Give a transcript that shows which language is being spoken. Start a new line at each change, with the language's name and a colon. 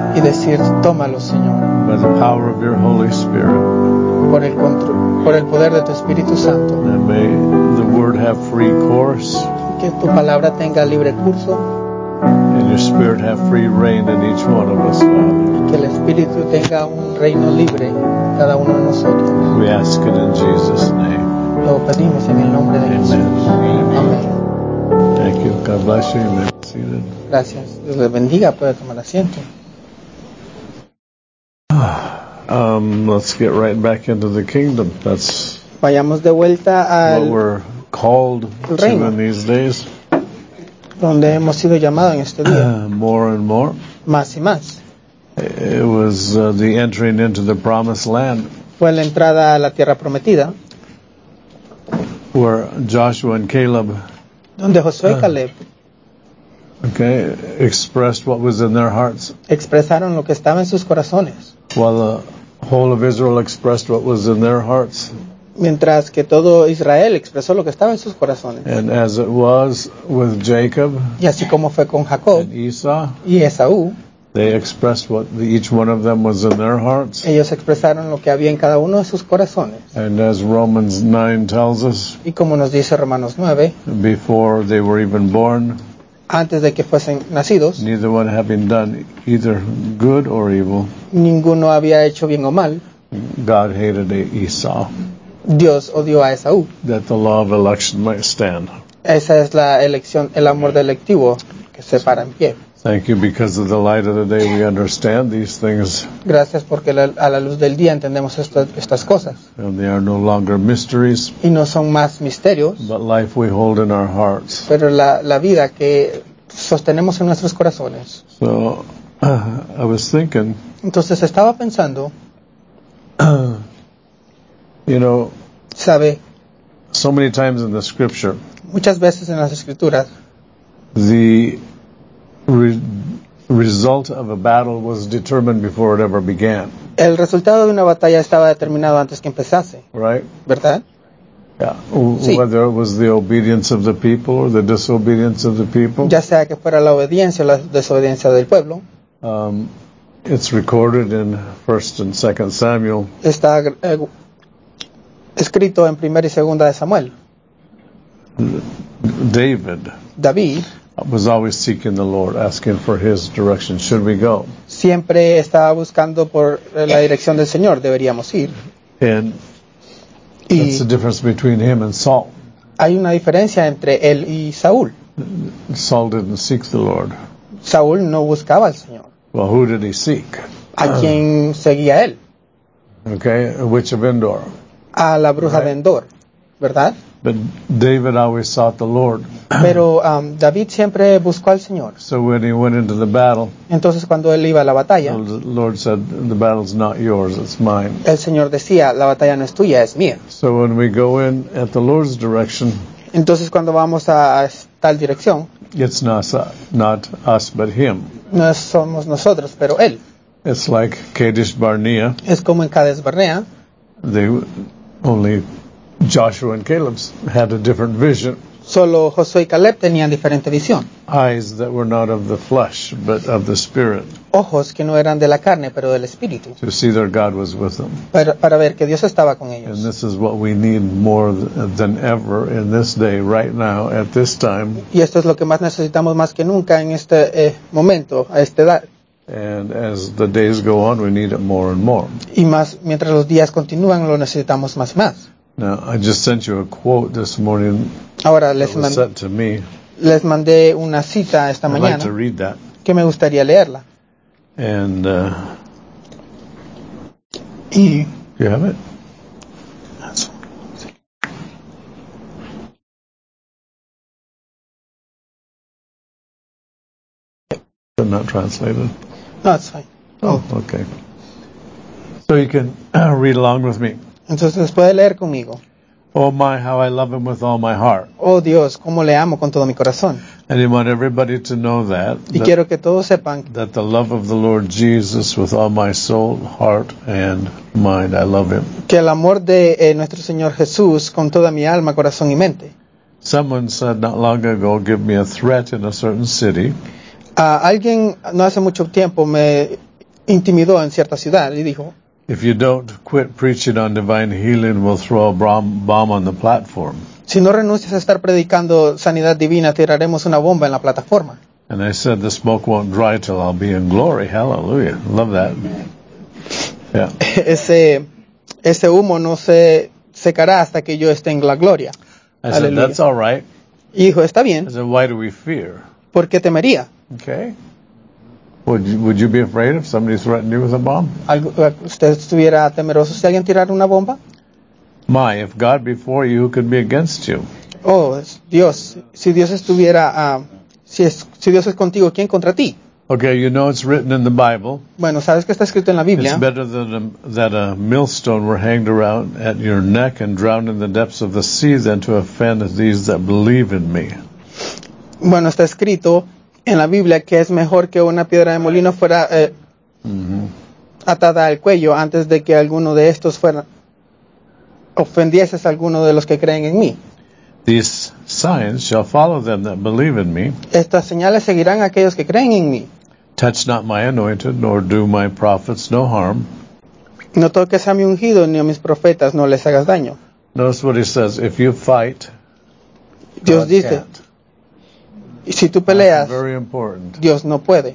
Spanish: Y decir, tómalo, Señor.
English: By the power of your Holy Spirit.
Spanish: Por el poder de tu Espíritu Santo.
English: And may the word have free course.
Spanish: Que tu palabra tenga libre curso.
English: And your spirit have free reign in each one of us, Father.
Spanish: Que el Espíritu tenga un reino libre en cada uno de nosotros.
English: We ask it in Jesus' name.
Spanish: Lo pedimos en el nombre de
English: Amen.
Spanish: Jesús. Amén.
English: Thank you. God bless you. Amen. Seated.
Spanish: Gracias. Dios le bendiga. Puede tomar asiento.
English: Let's get right back into the kingdom. That's
Spanish: vayamos de vuelta al
English: called to in these days.
Spanish: Donde hemos sido llamados en este día.
English: More and more.
Spanish: Más y más.
English: It was the entering into the promised land.
Spanish: Fue la entrada a la tierra prometida.
English: Where Joshua and Caleb.
Spanish: Donde Josué y Caleb.
English: Okay, expressed what was in their hearts.
Spanish: Expresaron lo que estaba en sus corazones.
English: While the whole of Israel expressed what was in their hearts.
Spanish: Mientras que todo Israel expresó lo que estaba en sus corazones.
English: And as it was with Jacob,
Spanish: y así como fue con Jacob
English: and Esau,
Spanish: y Esaú,
English: they expressed what each one of them was in their hearts.
Spanish: Ellos expresaron lo que había en cada uno de sus corazones.
English: And as Romans 9 tells us,
Spanish: y como nos dice Romanos 9,
English: before they were even born,
Spanish: antes de que fuesen nacidos,
English: neither one having done either good or evil,
Spanish: ninguno había hecho bien o mal,
English: God hated Esau.
Spanish: Dios odió a Esaú.
English: That the law of election might stand.
Spanish: Esa es la elección, el amor electivo que se para en pie.
English: Thank you, because of the light of the day we understand these things.
Spanish: Gracias porque a la luz del día entendemos estas cosas.
English: And they are no longer mysteries.
Spanish: Y no son más misterios.
English: But life we hold in our hearts.
Spanish: Pero la vida que sostenemos en nuestros corazones.
English: So, I was thinking.
Spanish: Entonces estaba pensando.
English: You know,
Spanish: sabe,
English: so many times in the scripture,
Spanish: muchas veces en las escrituras,
English: the result of a battle was determined before it ever began.
Spanish: El resultado de una batalla estaba determinado antes que empezase.
English: Right.
Spanish: ¿Verdad?
English: Yeah.
Spanish: Sí.
English: Whether it was the obedience of the people or the disobedience of the people.
Spanish: Ya sea que fuera la obediencia o la desobediencia del pueblo.
English: It's recorded in 1 and 2 Samuel.
Spanish: Está escrito en 1 y 2 de Samuel.
English: David was always seeking the Lord, asking for his direction. Should we go?
Spanish: Siempre estaba buscando por la dirección del Señor. Deberíamos ir.
English: And that's the difference between him and Saul.
Spanish: Hay una diferencia entre él y Saúl.
English: Saul didn't seek the Lord.
Spanish: Saúl no buscaba al Señor.
English: Well, who did he seek?
Spanish: ¿A quién seguía él?
English: Okay, a witch of Endor.
Spanish: A la bruja de Endor, ¿verdad?
English: But David always sought the Lord.
Spanish: Pero David siempre buscó al Señor.
English: So when he went into the battle,
Spanish: entonces cuando él iba a la batalla,
English: the Lord said, "The battle's not yours; it's mine."
Spanish: El Señor decía, "La batalla no es tuya, es mía."
English: So when we go in at the Lord's direction,
Spanish: entonces cuando vamos a tal dirección,
English: it's not us, but Him.
Spanish: No somos nosotros, pero él.
English: It's like Kadesh Barnea.
Spanish: Es como en Kadesh Barnea.
English: They only Joshua and Caleb had a different vision.
Spanish: Solo Josué y Caleb tenían diferente visión.
English: Eyes that were not of the flesh, but of the spirit.
Spanish: Ojos que no eran de la carne, pero del espíritu.
English: To see their God was with them.
Spanish: Para ver que Dios estaba con ellos.
English: And this is what we need more than ever in this day, right now, at this time.
Spanish: Y esto es lo que más necesitamos más que nunca en este momento, a esta edad.
English: And as the days go on, we need it more and more.
Spanish: Y más, mientras los días continúan, lo necesitamos más y más.
English: Now, I just sent you a quote this morning.
Spanish: Ahora,
English: sent to me.
Spanish: Les mandé una cita esta
English: I'd
Spanish: mañana.
English: I'd like to read that.
Spanish: Que me gustaría leerla.
English: And,
Spanish: y,
English: do you have it? But not translated? No, it's fine. Oh, okay. So you can read along with me.
Spanish: Entonces puede leer conmigo.
English: Oh my, how I love him with all my heart.
Spanish: Oh Dios, cómo le amo con todo mi corazón.
English: And I want everybody to know that.
Spanish: Y quiero que todos sepan.
English: That the love of the Lord Jesus with all my soul, heart, and mind, I love him.
Spanish: Que el amor de nuestro Señor Jesús con toda mi alma, corazón y mente.
English: Someone said not long ago, give me a threat in a certain city.
Spanish: Alguien no hace mucho tiempo me intimidó en cierta ciudad y dijo.
English: If you don't quit preaching on divine healing, we'll throw a bomb on the platform.
Spanish: Si no renuncias a estar predicando sanidad divina, tiraremos una bomba en la plataforma.
English: And I said, the smoke won't dry till I'll be in glory. Hallelujah. Love that. Yeah.
Spanish: Ese humo no se secará hasta que yo esté en la gloria.
English: I said, Hallelujah. That's all right.
Spanish: Hijo, está bien.
English: I said, why do we fear?
Spanish: ¿Por qué temería?
English: Okay. Would you be afraid if somebody threatened you with a bomb?
Spanish: ¿Usted estuviera temeroso si alguien tirara una bomba?
English: My, if God be for you, who could be against you?
Spanish: Oh, Dios, si Dios estuviera, si Dios es contigo, ¿quién contra ti?
English: Okay, you know it's written in the Bible.
Spanish: Bueno, sabes que está escrito en la Biblia.
English: It's better than that a millstone were hanged around at your neck and drowned in the depths of the sea than to offend these that believe in me.
Spanish: Bueno, está escrito en la Biblia que es mejor que una piedra de molino fuera atada al cuello antes de que alguno de estos fuera ofendieses a alguno de los que creen en mí.
English: These signs shall follow them that believe in me.
Spanish: Estas señales seguirán a aquellos que creen en mí.
English: Touch not my anointed, nor do my prophets no harm.
Spanish: No toques a mi ungido ni a mis profetas, no les hagas daño.
English: Notice what he says, if you fight,
Spanish: Dios dice, y si tú peleas, Dios no puede.